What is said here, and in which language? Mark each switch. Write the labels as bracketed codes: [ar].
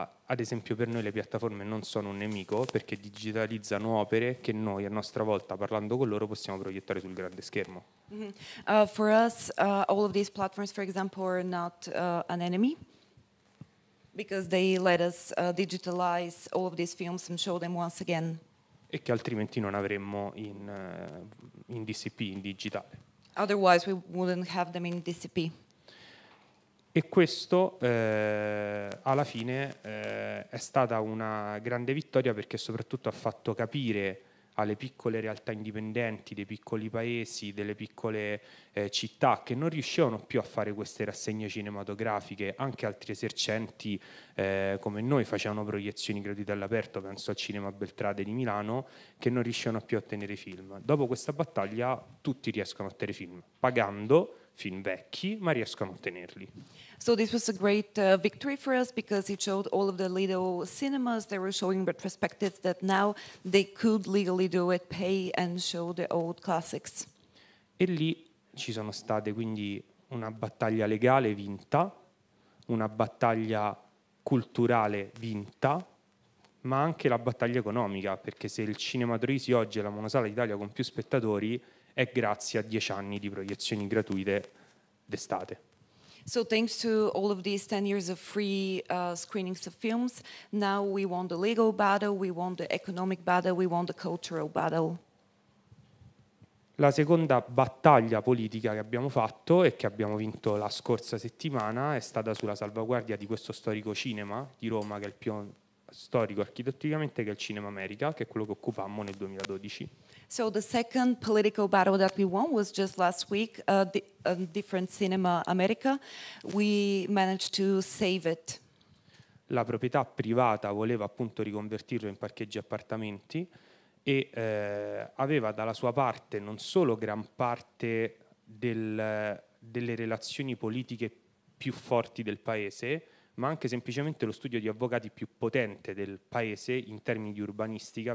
[it] Ad esempio, per noi le piattaforme non sono un nemico perché digitalizzano opere che noi, a nostra volta, parlando con loro, possiamo proiettare sul grande schermo. [en] For us, all of these platforms, for example, are not an enemy because they let us digitalize all of these films and show them once again. [it] E che altrimenti non avremmo in DCP, in digitale. [en] Otherwise, we wouldn't have them in DCP. [it] E questo alla fine è stata una grande vittoria perché soprattutto ha fatto capire alle piccole realtà indipendenti, dei piccoli paesi, delle piccole città che non riuscivano più a fare queste rassegne cinematografiche, anche altri esercenti come noi facevano proiezioni gratuite all'aperto, penso al Cinema Beltrade di Milano, che non riuscivano più a ottenere film. Dopo questa battaglia tutti riescono a ottenere film, pagando film vecchi, ma riescono a ottenerli. [en] So this was a great victory for us because it showed all of the little cinemas that were showing retrospectives that now they could legally do it, pay and show the old classics. [it] E lì ci sono state quindi una battaglia legale vinta, una battaglia culturale vinta, ma anche la battaglia economica, perché se il Cinema Troisi oggi è la monosala d'Italia con più spettatori è grazie a 10 anni di proiezioni gratuite d'estate. [en] So thanks to all of these 10 years of free screenings of films, now we won the legal battle, we won the economic battle, we won the cultural battle. [it] La seconda battaglia politica che abbiamo fatto e che abbiamo vinto la scorsa settimana è stata sulla salvaguardia di questo storico cinema di Roma, che è il più storico architetturicamente, che è il Cinema America, che è quello che occupammo nel 2012. [en] So the second political battle that we won was just last week, a different Cinema America. We managed to save it. [it] La proprietà privata voleva appunto riconvertirlo in parcheggi appartamenti e aveva dalla sua parte non solo gran parte delle relazioni politiche più forti del paese, ma anche semplicemente lo studio di avvocati più potente del paese in termini di urbanistica.